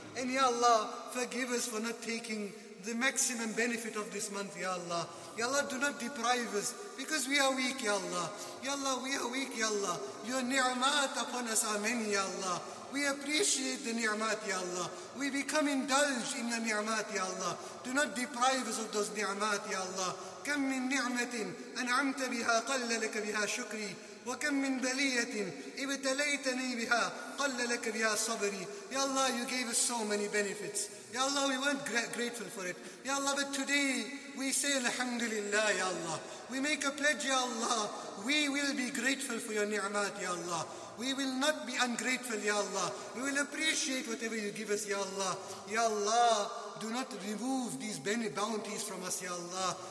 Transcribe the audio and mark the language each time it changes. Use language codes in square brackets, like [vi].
[en] And Ya Allah, forgive us for not taking the maximum benefit of this month, Ya Allah. Ya Allah, do not deprive us because we are weak, Ya Allah. Ya Allah, we are weak, Ya Allah. Your ni'mat upon us are many, Ya Allah. We appreciate the ni'mat, Ya Allah. We become indulged in your ni'mat, Ya Allah. Do not deprive us of those ni'mat, Ya Allah. [ar] كم من نعمة أنعمت بها قل لك بها شكري وكم من بلية ابتليتني بها قل لك بها صبري. [en] Ya Allah, you gave us so many benefits. Ya Allah, we weren't grateful for it. Ya Allah, but today we say Alhamdulillah, Ya Allah. We make a pledge, Ya Allah. We will be grateful for your ni'mat, Ya Allah. We will not be ungrateful, Ya Allah. We will appreciate whatever you give us, Ya Allah. Ya Allah, do not remove these bounties from us, Ya Allah.